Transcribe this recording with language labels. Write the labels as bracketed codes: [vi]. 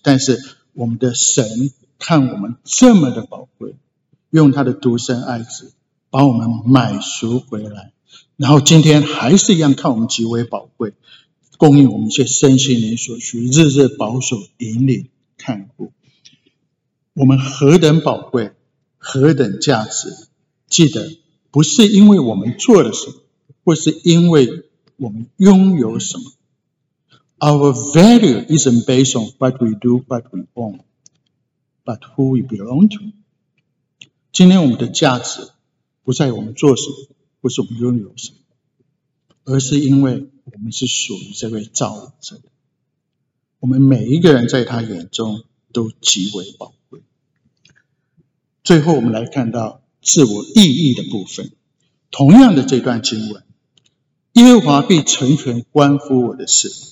[zh] 但是我们的神看我们这么的宝贵，用他的独生爱子把我们买赎回来，然后今天还是一样看我们极为宝贵，供应我们一些身心灵所需，日日保守引领看顾。我们何等宝贵，何等价值，记得不是因为我们做了什么，或是因为我们拥有什么。 [en] Our value isn't based on what we do, what we own, but who we belong to. [zh] 今天我们的价值不在我们做什么，或是我们拥有什么，而是因为我们是属于这位造物者的。我们每一个人在他眼中都极为宝贵。最后我们来看到自我意义的部分，同样的这段经文，耶和华必成全关乎我的事。